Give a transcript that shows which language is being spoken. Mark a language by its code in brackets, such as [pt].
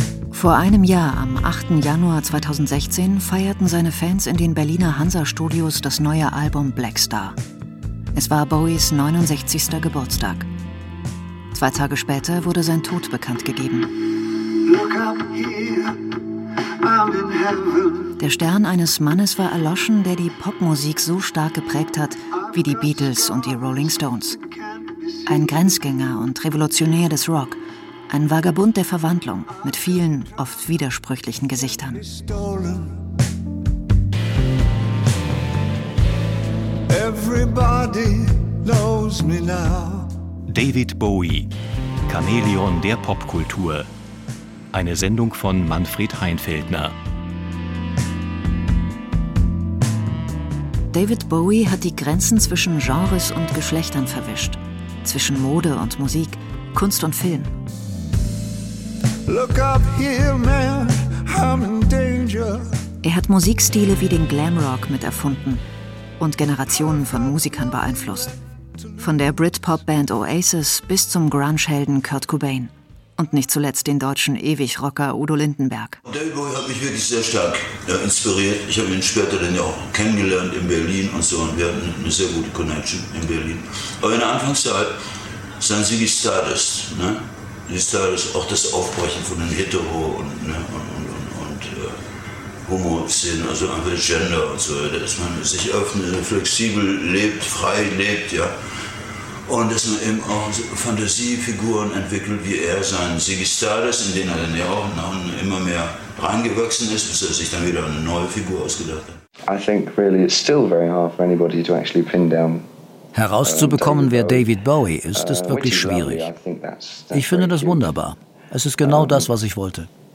[de] Vor einem Jahr, am 8. Januar 2016, feierten seine Fans in den Berliner Hansa-Studios das neue Album Black Star. Es war Bowies 69. Geburtstag. Zwei Tage später wurde sein Tod bekannt gegeben. [en] Look up here, I'm in heaven. [de] Der Stern eines Mannes war erloschen, der die Popmusik so stark geprägt hat wie die Beatles und die Rolling Stones. Ein Grenzgänger und Revolutionär des Rock. Ein Vagabund der Verwandlung mit vielen, oft widersprüchlichen Gesichtern. [en] Everybody knows me now. [de] David Bowie, Chamäleon der Popkultur. Eine Sendung von Manfred Heinfeldner. David Bowie hat die Grenzen zwischen Genres und Geschlechtern verwischt. Zwischen Mode und Musik, Kunst und Film. [en] Look up here, man, I'm in danger. [de] Er hat Musikstile wie den Glamrock mit erfunden und Generationen von Musikern beeinflusst. Von der Britpop-Band Oasis bis zum Grunge-Helden Kurt Cobain. Und nicht zuletzt den deutschen Ewig-Rocker Udo Lindenberg. David Bowie hat mich wirklich sehr stark inspiriert. Ich habe ihn später dann ja auch kennengelernt in Berlin und so. Und wir hatten eine sehr gute Connection in Berlin. Aber in der Anfangszeit sahen sie wie Stardust, ne? Die Stardust, auch das Aufbrechen von den Hetero- und, ne, und Homo-Szenen, also einfach Gender und so, dass man sich öffnet, flexibel lebt, frei lebt, ja. Und dass man eben auch Fantasiefiguren entwickelt, wie er sein Ziggy Stardust, in den er dann ja auch noch immer mehr reingewachsen ist, bis er sich dann wieder eine neue Figur ausgedacht hat. [en] I think really it's still very hard for anybody to actually pin down. [de] Herauszubekommen, wer David Bowie ist, ist wirklich schwierig. Ich finde das wunderbar. Es ist genau das, was ich wollte.